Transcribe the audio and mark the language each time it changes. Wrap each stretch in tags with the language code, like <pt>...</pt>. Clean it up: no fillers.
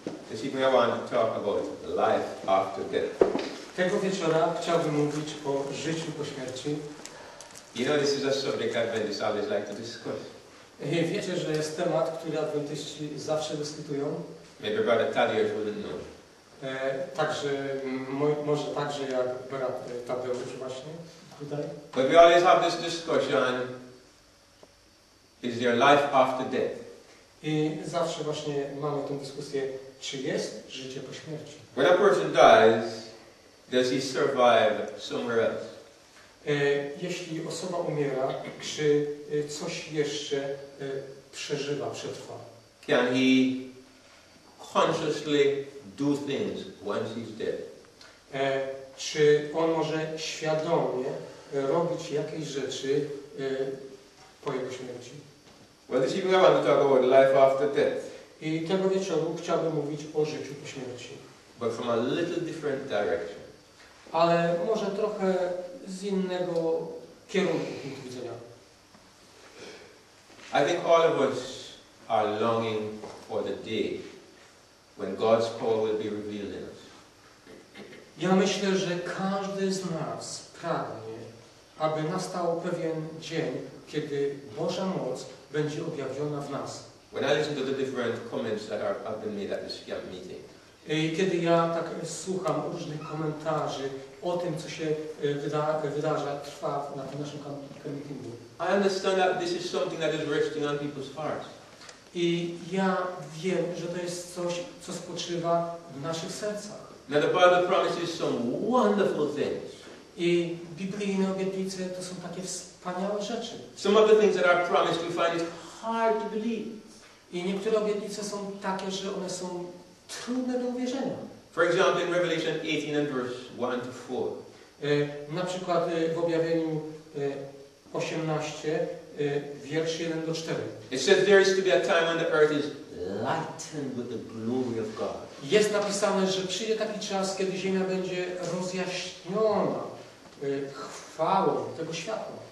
<en>This evening I want to talk about life after death.</en> <pl>Tego wieczora chciałbym mówić o życiu po śmierci.</pl> <en>You know, this is a subject Adventists always like to discuss.</en> <pl>Wiecie, że jest temat, który Adwentyści zawsze dyskutują.</pl> <en>Maybe Brother Tadeusz wouldn't know.</en> <pl>Także, może także jak brat Tadeusz właśnie tutaj.</pl> <en>But we always have this discussion, is there life after death?</en> <pl>I zawsze właśnie mamy tę dyskusję, czy jest życie po śmierci.</pl> <en>When a person dies, does he survive somewhere else?</en> <pl>Jeśli osoba umiera, czy coś jeszcze przeżywa, przetrwa?</pl> <en>Can he consciously do things once he's dead?</en> <pl>Czy on może świadomie robić jakieś rzeczy po jego śmierci?</pl> <en>Well, this evening I want to talk about life after death.</en> <pl>I tego wieczoru chciałbym mówić o życiu po śmierci.</pl> <en>But from a little different direction.</en> <pl>Ale może trochę z innego kierunku punktu widzenia.</pl> <en>I think all of us are longing for the day when God's power will be revealed in us.</en> <pl>Ja myślę, że każdy z nas pragnie, aby nastał pewien dzień, kiedy Boża moc będzie objawiona w nas.</pl> <en>When I listen to the different comments that are have been made at this meeting.</en> <pl>Kiedy ja tak słucham różnych komentarzy o tym, co się wydarza, trwa na tym naszym meetingu.</pl> <en>I understand that this is something that is resting on people's hearts.</en> <pl>I ja wiem, że to jest coś, co spoczywa w naszych sercach.</pl> <en>Now the Bible promises some wonderful things.</en> <pl>I biblijne obietnice to są takie wspaniałe rzeczy.</pl> <en>Some of the things that are promised, we find it hard to believe.</en> <pl>I niektóre obietnice są takie, że one są trudne do uwierzenia.</pl> <en>For example, in Revelation 18 and verse 1 to 4.</en> <pl>Na przykład w objawieniu 18, wiersz 1 do 4.</pl> <en>It says there is to be a time when the earth is lightened with the glory of God.</en> <pl>Jest napisane, że przyjdzie taki czas, kiedy ziemia będzie rozjaśniona chwałą tego światła.</pl>